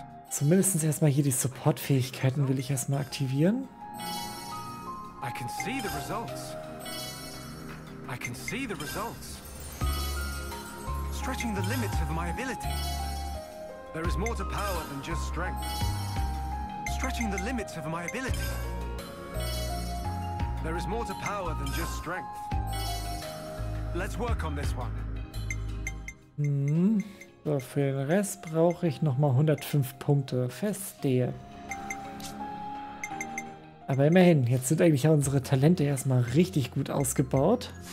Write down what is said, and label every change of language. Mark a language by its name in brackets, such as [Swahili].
[German] Zumindest erstmal hier die Support-Fähigkeiten will ich erstmal aktivieren. Ich kann die Ergebnisse sehen. Ich kann die Ergebnisse sehen. [English] Stretching the limits of my abilities. There is more to power than just strength. Stretching the limits of my ability. There is more to power than just strength. Let's work on this one. [German] So, für den Rest brauche ich nochmal 105 Punkte. Verstehe. Aber immerhin, jetzt sind eigentlich auch unsere Talente erstmal richtig gut ausgebaut.